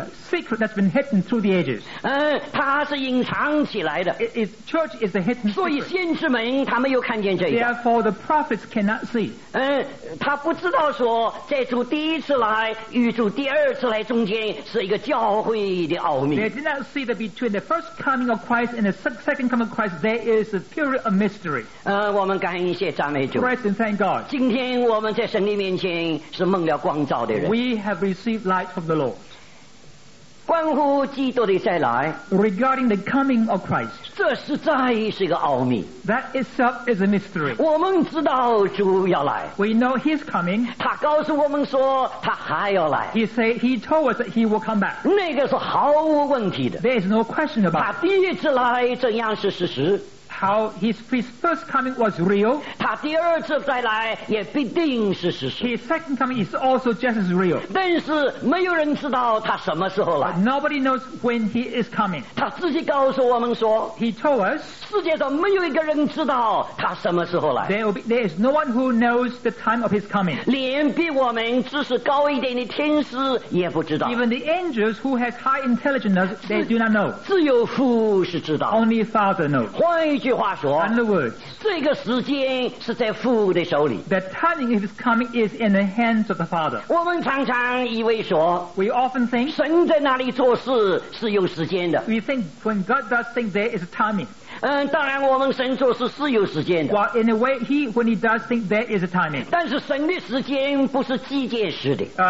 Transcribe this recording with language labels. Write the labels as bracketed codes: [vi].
[en] secret that's been hidden through the ages. [zh] 它是隐藏起来的。 [en] Church is a hidden secret. [zh] 所以先知们他没有看见这个。 [en] Therefore the prophets cannot see. [zh] 他不知道说在主第一次来与主第二次来中间是一个教会的奥秘。 [en] They did not see that between the first coming of Christ and the second coming of Christ there is a period of mystery. [zh] 我们感谢赞美主。 [en] Praise and thank God. [zh] 今天我们在神的面前是蒙了光照的人。 [en] We have received light from the Lord. [zh] 关乎基督的再来 [en] regarding the coming of Christ [zh] 这实在是一个奥秘 [en] that itself is a mystery [zh] 我们知道主要来 [en] we know he's coming [zh] 他告诉我们说他还要来 [en] he told us that he will come back [zh] 那个是毫无问题的 [en] there is no question about it [zh] 他第一次来怎样是事实 [en] How his first coming was real. [zh] 他第二次再来也必定是事实。 [en] His second coming is also just as real. [zh] 但是没有人知道他什么时候来。 [en] Nobody knows when he is coming. [zh] 他自己告诉我们说 [en] He told us. [zh] 世界上没有一个人知道他什么时候来。 [en] There is no one who knows the time of his coming. [zh] 连比我们知识高一点的天使也不知道。 [en] Even the angels who have high intelligence, they do not know. [zh] 只有父是知道。 [en] Only Father knows. [zh] 换一句话说 [en] In other words, [zh] 这个时间是在父的手里 [en] The timing of his coming is in the hands of the Father [zh] 我们常常以为说 [en] We often think [zh] 神在那里做事是有时间的 [en] We think when God does things there is a timing [zh] 当然我们神做事是有时间的 [en] Well in a way when he does things there is a timing [zh] 但是神的时间不是机械式的